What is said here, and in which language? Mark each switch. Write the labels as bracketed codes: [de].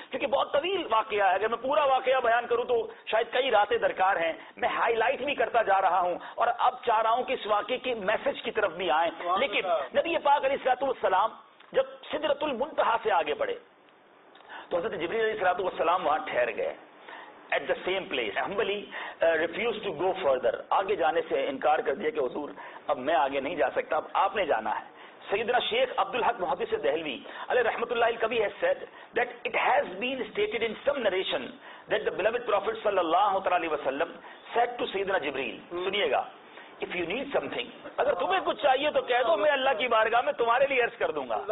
[ur] کیونکہ بہت طویل واقعہ ہے, اگر میں پورا واقعہ بیان کروں تو شاید کئی راتیں درکار ہیں. میں ہائی لائٹ بھی کرتا جا رہا ہوں اور اب چاہ رہا ہوں کہ اس واقعے کے میسج کی طرف بھی آئیں. لیکن نبی پاک علیہ الصلوۃ والسلام جب سدرت المنتہا سے آگے بڑھے تو حضرت جبریل علیہ الصلوۃ والسلام وہاں ٹھہر گئے. [en] At the same place, humbly refused to go further. [ur] آگے جانے سے انکار کر دیا کہ حضور اب میں آگے نہیں جا سکتا, اب آپ نے جانا ہے. سیدنا شیخ عبدالحق محدث دہلوی علیہ رحمۃ اللہ کبھی [en] has said that it has been stated in some narration that the beloved Prophet [ur] صلی اللہ علیہ وسلم [en] said to [ur] سیدنا جبریل, سنیے گا, [en] if you need something, [ur] اگر تمہیں کچھ چاہیے تو کہہ دو, میں اللہ کی بارگاہ میں تمہارے لیے عرض کر دوں گا.